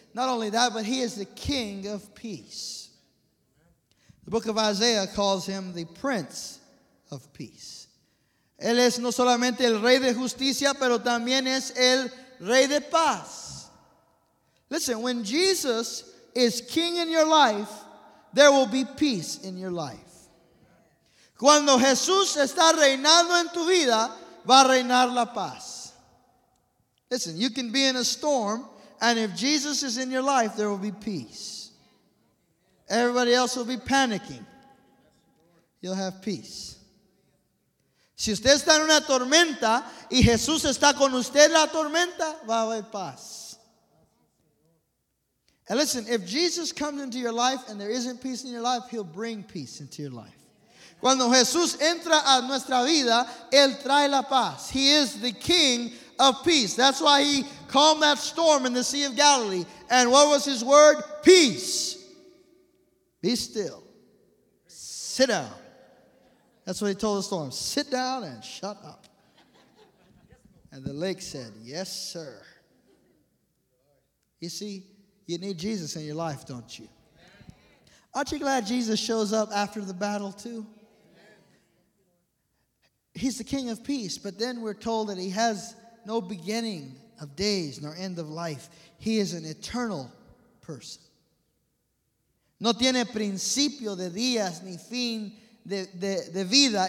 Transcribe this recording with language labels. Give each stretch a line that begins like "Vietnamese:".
English: Not only that, but he is the King of peace. The book of Isaiah calls him the Prince of Peace.
Spanish: Él es no solamente el Rey de justicia, pero también es el Rey de paz.
English: Listen, when Jesus is King in your life, there will be peace in your life.
Spanish: Cuando Jesús está reinando en tu vida, va a reinar la paz.
English: Listen, you can be in a storm, and if Jesus is in your life, there will be peace. Everybody else will be panicking. You'll have peace.
Spanish: Si usted está en una tormenta, y Jesús está con usted en la tormenta, va a haber paz.
English: And listen, if Jesus comes into your life and there isn't peace in your life, he'll bring peace into your life.
Spanish: Cuando Jesús entra a nuestra vida, él trae la paz.
English: He is the King of peace. That's why he calmed that storm in the Sea of Galilee. And what was his word? Peace. Be still. Sit down. That's what he told the storm. Sit down and shut up. And the lake said, yes, sir. You see, you need Jesus in your life, don't you? Aren't you glad Jesus shows up after the battle too? He's the King of peace, but then we're told that he has no beginning of days nor end of life. He is an eternal person.
Spanish: No tiene principio de días ni fin de vida.